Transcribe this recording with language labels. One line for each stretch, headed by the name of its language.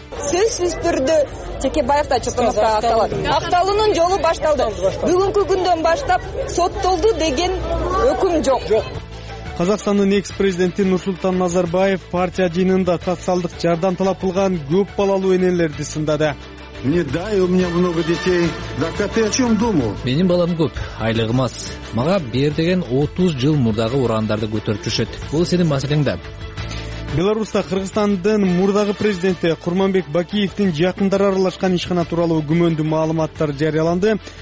Kyrgyz: Сөзсүз түрдө Текебаев да Чотонов да акталат. Акталуунун жолу башталды. Бүгүнкү күндөн баштап соттолду деген өкүм жок. Казакстандын экс-президенти Нурсултан Назарбаев партия жыйынында социалдык жардам талап кылган көп балалуу энелерди сындады.
Russian: Не дай, у меня много детей. Так а ты о чем думал?
Kyrgyz: Менин балам көп, айлыгым аз. Мага бер деген 30 жыл мурдагы урандарды көтөрүп жүрөт. Бул сенин маселең да. Беларусьта Кыргызстандын мурдагы президенти Курманбек Бакиевдин жакындары аралашкан ишкана тууралуу күмөндүү маалыматтар жарыяланды.